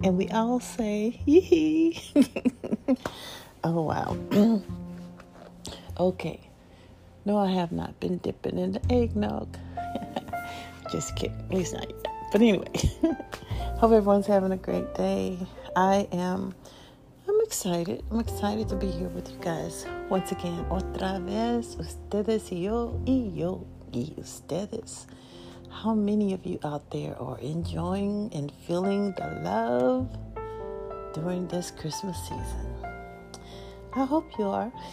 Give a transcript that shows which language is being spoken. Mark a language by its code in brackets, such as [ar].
[en] And we all say, yee-hee. Oh, wow. Okay. No, I have not been dipping in the eggnog. Just kidding. At least not yet. But anyway, hope everyone's having a great day. I'm excited to be here with you guys once again. [es] Otra vez, ustedes y yo, y yo y ustedes. [en] How many of you out there are enjoying and feeling the love during this Christmas season? I hope you are.